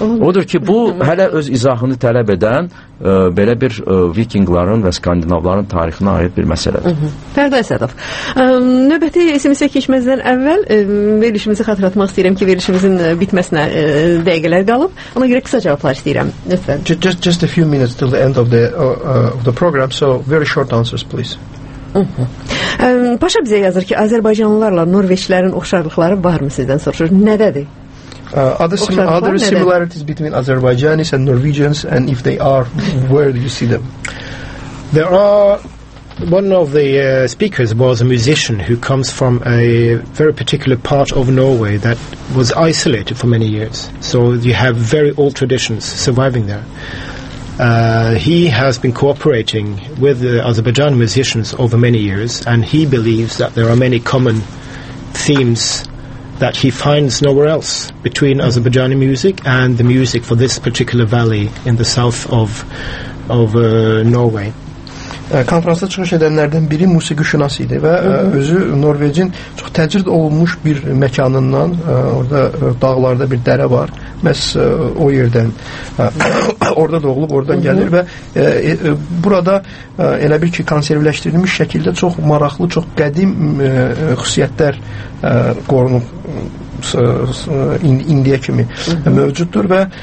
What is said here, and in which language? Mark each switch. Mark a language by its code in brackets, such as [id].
[az] Odur ki, bu hələ öz izahını tələb edən belə bir vikingların və skandinavların tarixinə aid bir məsələdir. Fərdə Əsədov, növbəti SMS-ə keçməzdən əvvəl verilişimizi xatırlatmaq istəyirəm ki, verilişimizin bitməsinə dəqiqələr qalıb. Ona görə qısa cavablar istəyirəm. [en] Just a few minutes till the end of the program, so very short answers, please. [az] Paşa bizə yazır ki, Azərbaycanlılarla Norveçlərin oxşarlıqları varmı sizdən soruşur. Nədədir? [en] Other similarities between Azerbaijanis and Norwegians, and if they are, where do you see them? There are, one of the speakers was a musician who comes from a very particular part of Norway that was isolated for many years. So you have very old traditions surviving there. He has been cooperating with the Azerbaijan musicians over many years, and he believes that there are many common themes that he finds nowhere else between Azerbaijani music and the music for this particular valley in the south of Norway. [az] Konferansda çıxış edənlərdən biri musiqi şünasıydı və özü Norveçin çox təcrid olunmuş bir məkanından, orada dağlarda bir dərə var, məhz o yerdən orada doğulub, oradan gəlir və burada elə bir ki, konservləşdirilmiş şəkildə çox maraqlı, çox qədim xüsusiyyətlər qorunub indiyə kimi mövcuddur və